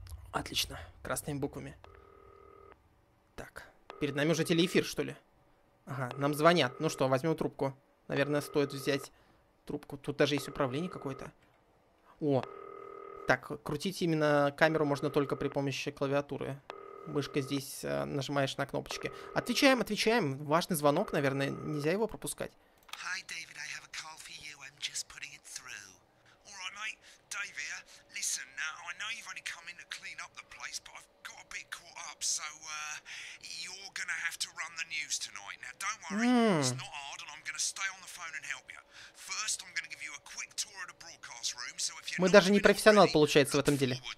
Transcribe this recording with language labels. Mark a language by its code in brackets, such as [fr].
[ru] Отлично, красными буквами. Так, перед нами уже телеэфир, что ли? Ага, нам звонят. Ну что, возьмем трубку. Наверное, стоит взять трубку. Тут даже есть управление какое-то. О, так, крутить именно камеру можно только при помощи клавиатуры. Мышка здесь, нажимаешь на кнопочки. Отвечаем, отвечаем. Важный звонок, наверное, нельзя его пропускать. [en] Hi, David, I have a call for you. I'm just putting it through. All right, mate. David, listen, I know you've only come in to clean up the place, but I've got a bit caught up, so you're gonna have to run the news tonight. Now, don't worry, it's not hard, and I'm gonna stay on the phone and help you. First, I'm gonna give you a quick tour of the broadcast room, so if you're [ru] Мы даже не профессионал, получается, в этом деле.